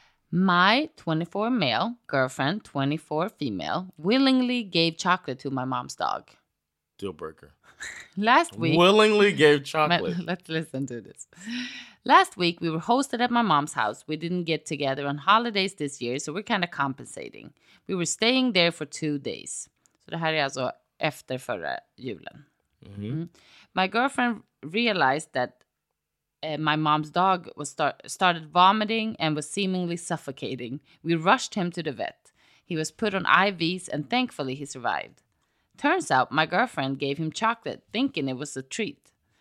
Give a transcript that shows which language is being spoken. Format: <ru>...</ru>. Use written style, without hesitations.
<en>My 24 male girlfriend, 24 female, willingly gave chocolate to my mom's dog. Deal breaker. Last week. Willingly gave chocolate. Let's listen to this. Last week, we were hosted at my mom's house. We didn't get together on holidays this year, so we're kind of compensating. We were staying there for 2 days.</en> <sv>So det här är alltså efter förra julen.</sv> <en>My girlfriend realized that my mom's dog was started vomiting and was seemingly suffocating. We rushed him to the vet. He was put on IVs and thankfully he survived. Turns out my girlfriend gave him chocolate, thinking it was a treat.</en>